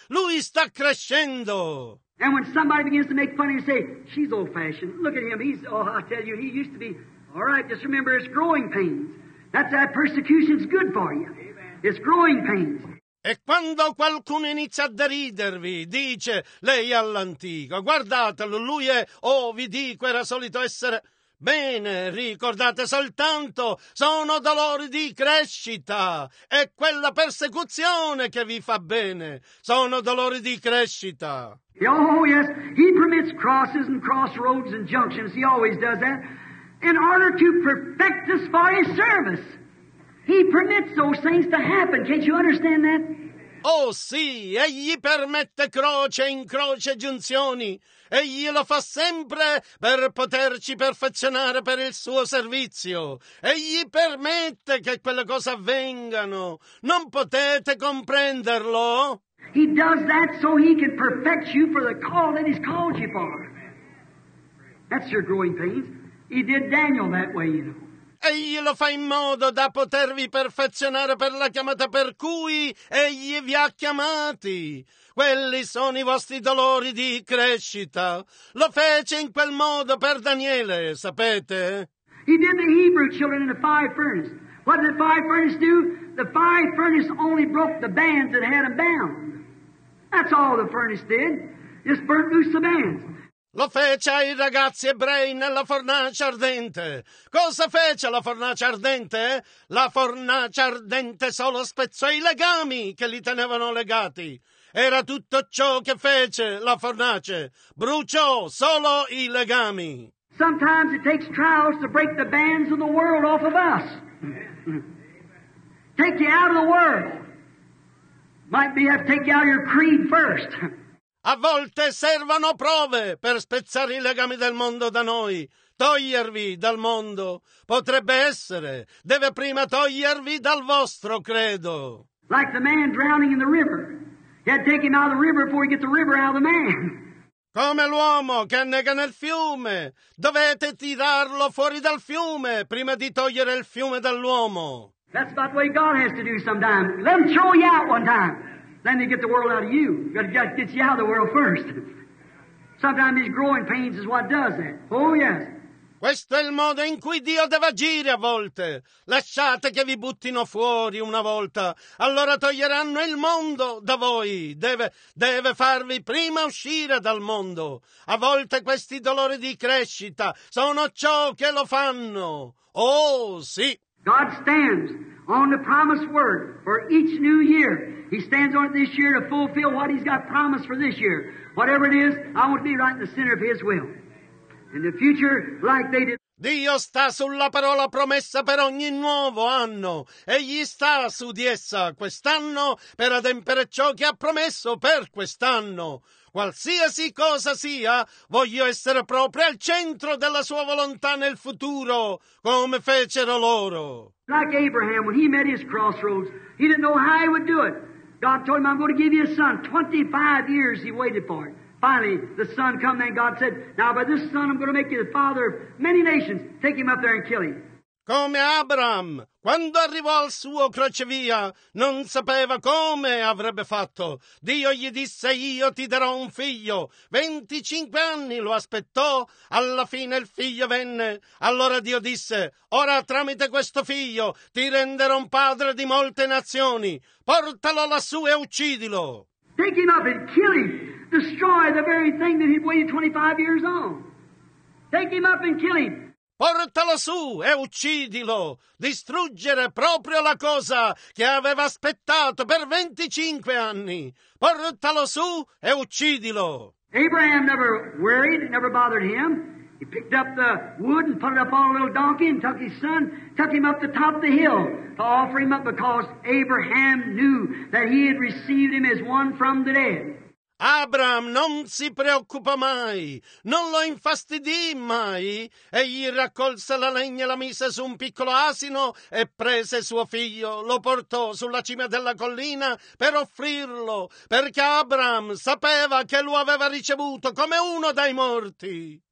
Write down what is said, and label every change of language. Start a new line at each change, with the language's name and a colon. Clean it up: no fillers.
Italian: Lui sta crescendo.
English: And when somebody begins to make fun of you, say, she's old-fashioned. Look at him. He's, oh, I tell you, he used to be, all right, just remember, it's growing pains. That persecution's good for you. It's growing pains.
Italian: E quando qualcuno inizia a deridervi, dice lei all'antico, guardatelo, lui è, oh, vi dico, era solito essere... Bene, ricordate soltanto, sono dolori di crescita, è quella persecuzione che vi fa bene, sono dolori di crescita.
English: Oh yes, he permits crosses and crossroads and junctions, he always does that, in order to perfect us for his service. He permits those things to happen, can't you understand that?
Italian: Oh sì, egli permette croce, incroce, giunzioni. Egli lo fa sempre per poterci perfezionare per il suo servizio. Egli permette che quelle cose avvengano. Non potete comprenderlo?
English: He does that so he can perfect you for the call that he's called you for. That's your growing pains. He did Daniel that way, you know.
Italian: Egli lo fa in modo da potervi perfezionare per la chiamata per cui egli vi ha chiamati. Quelli sono i vostri dolori di crescita. Lo fece in quel modo per Daniele, sapete?
English: He did the Hebrew children in the fire furnace. What did the fire furnace do? The fire furnace only broke the bands that had them bound. That's all the furnace did. Just burnt loose the bands.
Italian: Lo fece ai ragazzi ebrei nella fornace ardente. Cosa fece la fornace ardente? La fornace ardente solo spezzò i legami che li tenevano legati. Era tutto ciò che fece la fornace. Bruciò solo i legami.
English: Sometimes it takes trials to break the bands of the world off of us. Take you out of the world. Might be have to take you out of your creed first.
Italian: A volte servono prove per spezzare i legami del mondo da noi, togliervi dal mondo. Potrebbe essere, deve prima togliervi dal vostro credo.
English: Like the man drowning in the river. He had to take him out of the river before he get the river out of the man.
Italian: Come l'uomo che annega nel fiume, dovete tirarlo fuori dal fiume prima di togliere il fiume dall'uomo.
English: That's about the way God has to do sometimes. Let him throw you out one time. Then they get the world out of you. God gets you out of the world first. Sometimes these growing pains is what does that. Oh, yes.
Italian: Questo è il modo in cui Dio deve agire a volte. Lasciate che vi buttino fuori una volta. Allora toglieranno il mondo da voi. Deve farvi prima uscire dal mondo. A volte questi dolori di crescita sono ciò che lo fanno. Oh, sì.
English: God stands on the promised word for each new year. He stands on it this year to fulfill what he's got promised for this year. Whatever it is, I want to be right in the center of his will. In the future, like they did.
Italian: Dio sta sulla parola promessa per ogni nuovo anno. Egli sta su di essa quest'anno per adempiere ciò che ha promesso per quest'anno. Qualsiasi cosa sia, voglio essere proprio al centro della sua volontà nel futuro, come fecero loro.
English: Like Abraham, when he met his crossroads, he didn't know how he would do it. God told him, I'm going to give you a son. 25 years he waited for it. Finally, the son come, and God said, now by this son I'm going to make you the father of many nations. Take him up there and kill him.
Italian: Come Abram, quando arrivò al suo crocevia, non sapeva come avrebbe fatto. Dio gli disse, io ti darò un figlio. 25 anni lo aspettò, alla fine il figlio venne. Allora Dio disse, ora tramite questo figlio ti renderò un padre di molte nazioni. Portalo lassù e uccidilo.
English: Take him up and kill him. Destroy the very thing that he'd waited 25 years on. Take him up and kill him.
Italian: Portalo su e uccidilo. Distruggere proprio la cosa che aveva aspettato per 25 anni. Portalo su e uccidilo.
English: Abraham never worried, never bothered him. He picked up the wood and put it up on a little donkey and took his son, took him up the top of the hill to offer him up because Abraham knew that he had received him as one from the dead.
Italian: Abram non si preoccupa mai, non lo infastidì mai. Egli raccolse la legna e la mise su un piccolo asino e prese suo figlio, lo portò sulla cima della collina per offrirlo, perché Abram sapeva che lo aveva ricevuto come uno dai morti.